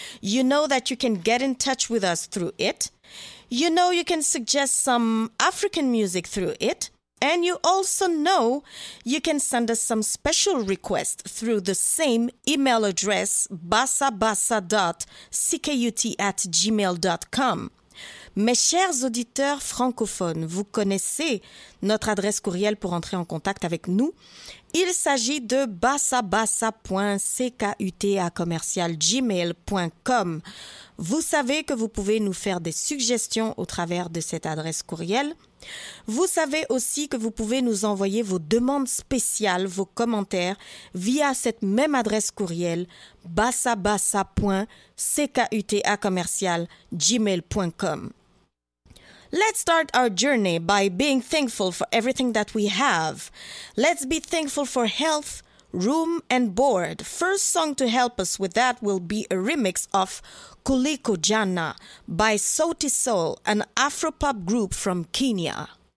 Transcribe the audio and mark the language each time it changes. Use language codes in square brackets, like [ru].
[en] You know that you can get in touch with us through it. You know you can suggest some African music through it. And you also know you can send us some special requests through the same email address, bassabassa.ckut@gmail.com. [fr] Mes chers auditeurs francophones, vous connaissez notre adresse courriel pour entrer en contact avec nous. Il s'agit de bassabassa.ckut@gmail.com. Vous savez que vous pouvez nous faire des suggestions au travers de cette adresse courriel. Vous savez aussi que vous pouvez nous envoyer vos demandes spéciales, vos commentaires, via cette même adresse courriel, bassabassa.ckut@gmail.com. [en] Let's start our journey by being thankful for everything that we have. Let's be thankful for health, room and board. First song to help us with that will be a remix of Kuliko Jana by Sauti Sol, an Afropop group from Kenya.